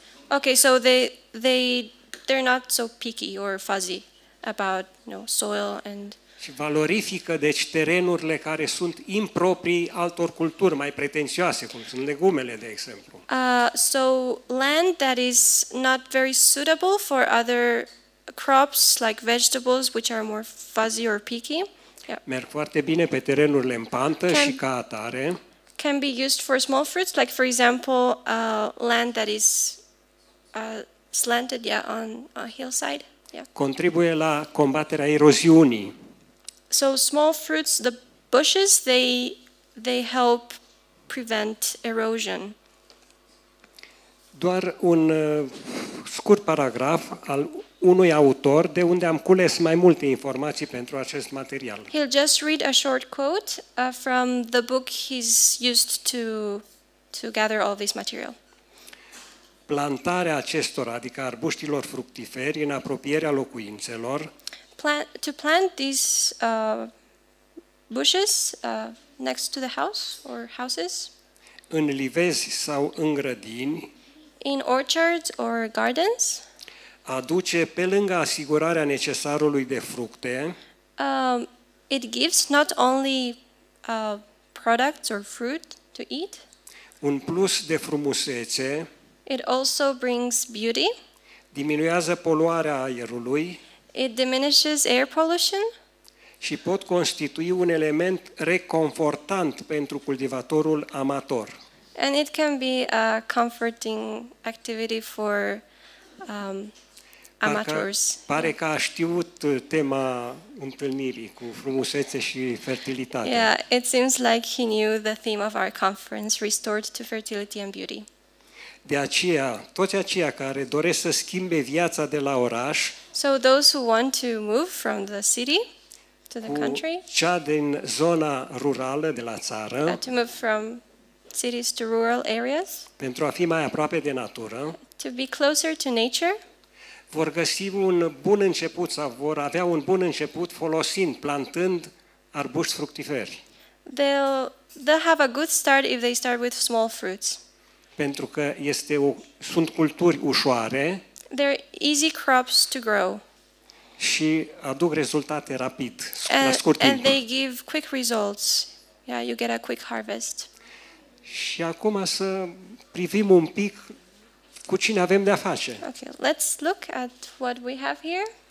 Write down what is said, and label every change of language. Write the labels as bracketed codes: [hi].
[en] Okay, so they're not so picky or fuzzy about, you know, soil and [ro] și valorifică deci terenurile care sunt improprii altor culturi mai pretențioase, cum sunt legumele, de exemplu. [en] So land that is not very suitable for other crops like vegetables which are more fuzzy or picky. Yeah. [ro] Merg foarte bine pe terenurile în pantă și ca atare. [en] Can be used for small fruits, like for example, land that is slanted, yeah, on a hillside. Yeah. [ro] Contribuie la combaterea eroziunii. [en] So small fruits, the bushes, they help prevent erosion. [ro] Doar un scurt paragraf al unui autor de unde am cules mai multe informații pentru acest material. [en] He'll just read a short quote from the book he's used to gather all this material. [ro] Plantarea acestora, adică arbuștilor fructiferi, în apropierea locuințelor. [en] To plant these bushes next to the house or houses. [ro] În livezi sau în grădini. [en] In orchards or gardens. [ro] Aduce pe lângă asigurarea necesarului de fructe. [en] It gives not only products or fruit to eat. [ro] Un plus de frumusețe. [en] It also brings beauty. [ro] Diminuează poluarea aerului. [en] It diminishes air pollution. [ro] Și pot constitui un element reconfortant pentru cultivatorul amator. [en] And it can be a comforting activity for amateurs. [ro] Pare că a știut tema întâlnirii cu frumusețe și fertilitate. [en] Yeah, it seems like he knew the theme of our conference, restored to fertility and beauty. [ro] De aceea, toți aceia care doresc să schimbe viața de la oraș, [en] so those who want to move from the city to the country, [ro] cea din zona rurală de la țară, [en] to move from cities to rural areas, [ro] pentru a fi mai aproape de natură, [en] to be closer to nature, [ro] vor găsi un bun început sau vor avea un bun început folosind, plantând arbuști fructiferi. [en] They'll have a good start if they start with small fruits. [ro] Pentru că sunt culturi ușoare. [en] They're easy crops to grow. [ro] Și aduc rezultate rapid, la scurt timp. [en] And they give quick results. Yeah, you get a quick harvest. [ro] Și acum să privim un pic cu cine avem de a face. [en] Okay, let's look at what we have here.